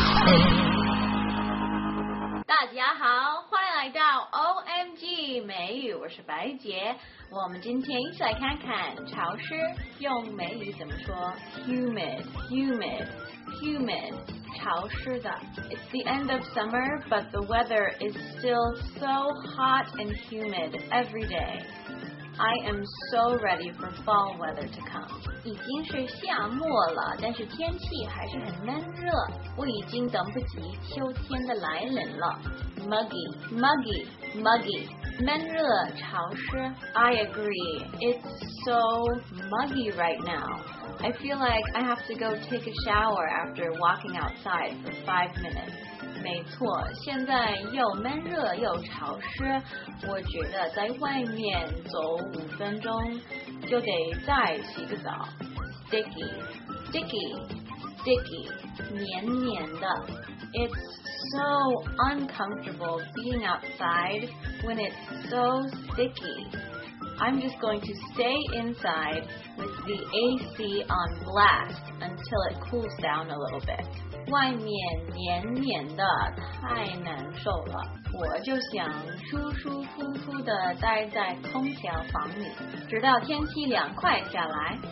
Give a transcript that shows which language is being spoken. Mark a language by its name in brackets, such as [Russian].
[Chinese] 大家好，欢迎来到 OMG 美语，我是白姐。我们今天一起来看看潮湿用美语怎么说 humid 潮湿的。 [English] It's the end of summer, but the weather is still so hot and humid every day. I am so ready for fall weather to come. [Chinese] 已经是夏末了，但是天气还是很闷热，我已经等不及秋天的来临了。 Muggy闷热潮湿。 [English] I agree, it's so muggy right now. I feel like I have to go take a shower after walking outside for 5 minutes. [Chinese] 没错，现在又闷热又潮湿，我觉得在外面走5分钟就得再洗个澡。 Sticky 黏黏的。 [English] It's so uncomfortable being outside when it's so sticky. I'm just going to stay inside with the AC on blast until it cools down a little bit. [Chinese] 外面黏黏的，太难受了，我就想舒舒服服地待在空调房里，直到天气凉快下来。